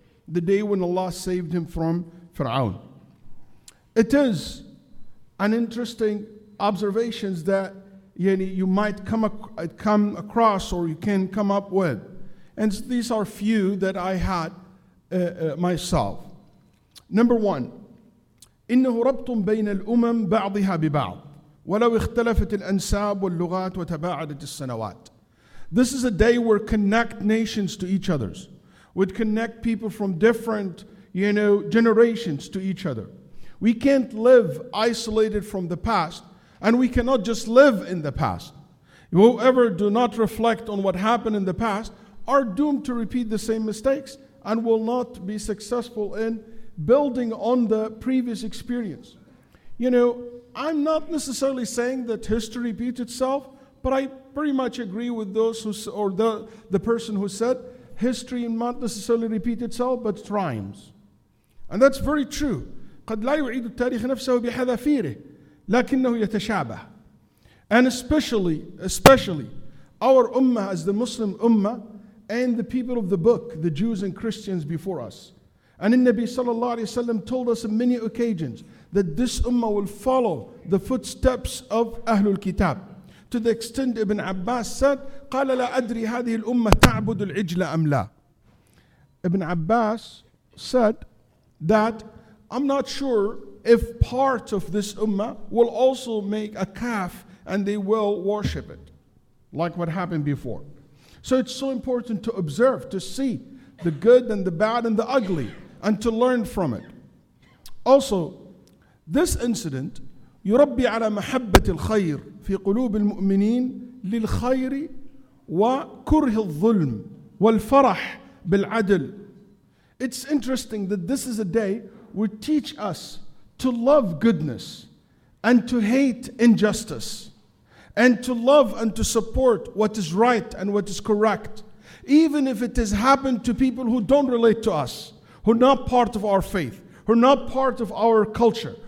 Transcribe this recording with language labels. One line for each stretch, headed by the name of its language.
English: The day when Allah saved him from Fir'aun. It is an interesting observation that you might come across or you can come up with. And these are few that I had myself.
Arabic: Number one, إِنَّهُ رَبْطٌ بَيْنَ الْأُمَمِ بَعْضِهَا بِبَعْضٍ وَلَوْ اِخْتَلَفَتِ الْأَنْسَابُ وَاللُّغَاتِ وَتَبَاعَدَتِ السَّنَوَاتِ.
English: This is a day where connect nations to each other, would connect people from different, generations to each other. We can't live isolated from the past, and we cannot just live in the past. Whoever do not reflect on what happened in the past are doomed to repeat the same mistakes and will not be successful in building on the previous experience. I'm not necessarily saying that history repeats itself, but I pretty much agree with those who, or the person who said, history not necessarily repeat itself, but it rhymes.
Arabic: And that's very true. قَدْ لَا يُعِيدُ التَّارِيخِ نَفْسَهُ بِحَذَافِيرِهِ لَكِنَّهُ يَتَشَابَهُ.
English: And especially, our ummah as the Muslim ummah, and the people of the book, the Jews and Christians before us. And in Nabi sallallahu alayhi wa sallam told us on many occasions that this ummah will follow the footsteps of Ahlul Kitab.
Arabic: To the extent Ibn Abbas said, قَالَ لَا أَدْرِي هَذِهِ الْأُمَّةِ تَعْبُدُ الْعِجْلَ أَمْ لَا.
English: Ibn Abbas said that, I'm not sure if part of this ummah will also make a calf and they will worship it, like what happened before. So it's so important to observe, to see the good and the bad and the ugly, and to learn from it.
Arabic: Also, this incident, يربي على محبة الخير في قلوب المؤمنين للخير وكره الظلم والفرح بالعدل.
English: It's interesting that this is a day which teach us to love goodness and to hate injustice, and to love and to support what is right and what is correct, even if it has happened to people who don't relate to us, who are not part of our faith, who are not part of our culture,